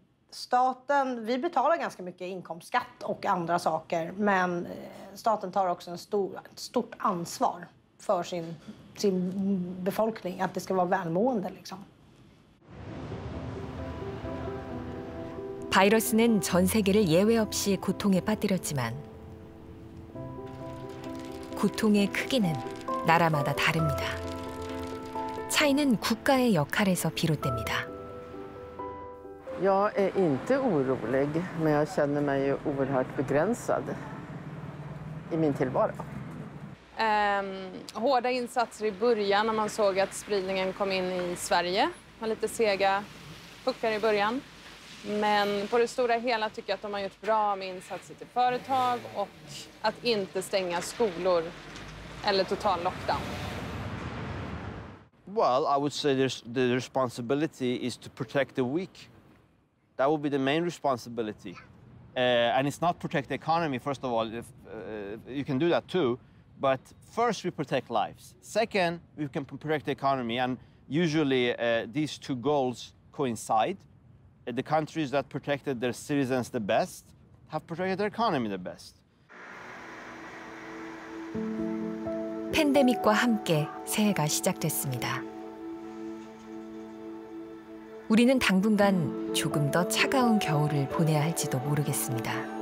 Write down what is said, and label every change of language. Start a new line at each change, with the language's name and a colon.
Swedish: Staten, vi betalar ganska mycket inkomstskatt och andra saker, men staten tar också en stort ansvar för sin befolkning, att det ska vara välmående liksom.
Korean: 바이러스는 전 세계를 예외 없이 고통에 빠뜨렸지만 고통의 크기는 나라마다 다릅니다. 차이는 국가의 역할에서 비롯됩니다.
Swedish: Jag är inte orolig, men jag känner mig ju oerhört begränsad i min tillvaro. Hårda insatser i början när man såg att spridningen kom in i Sverige. Det var lite sega puckar i början. Men på det stora hela tycker jag att de har gjort bra med insatser till företag och att inte stänga skolor eller total lockdown.
English: Well, I would say the responsibility is to protect the weak. That would be the main responsibility. And it's not protect the economy, first of all. You can do that too. But first, we protect lives. Second, we can protect the economy. And usually, these two goals coincide. The countries that protected their citizens the best have protected their economy the best.
Korean: 팬데믹과 함께 새해가 시작됐습니다. 우리는 당분간 조금 더 차가운 겨울을 보내야 할지도 모르겠습니다.